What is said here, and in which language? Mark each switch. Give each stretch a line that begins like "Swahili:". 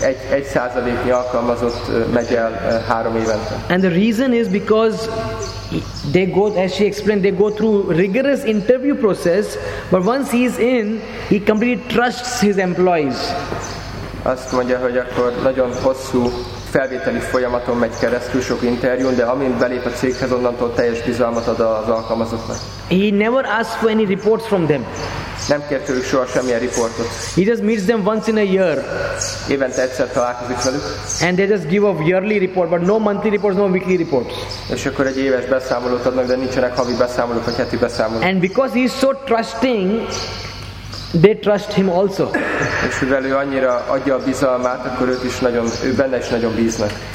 Hungarian: Egy százaléknyi alkalmazott megy el 3 évente.
English: And the reason is because they go, as she explained, they go through rigorous interview process, but once he's in, he completely trusts his employees.
Hungarian: Azt mondja, hogy akkor nagyon hosszú felvételi folyamaton megy keresztül, sok interjún, de amint belép a céghez, onnantól teljes bizalmat ad az alkalmazottnak.
English: He never asks for any reports from them.
Hungarian: Nem kér tőlük soha semmilyen riportot.
English: He just meets them once in a year.
Hungarian: Évente egyszer találkozik velük.
English: And they just give a yearly report, but no monthly reports, no weekly reports.
Hungarian: És akkor egy éves beszámolót adnak, de nincsenek havi beszámolók, vagy heti beszámolók.
English: And because he is so trusting, they trust him also.
Hungarian: És mivel ő annyira adja a bizalmát, akkor ő benne is nagyon bíznak.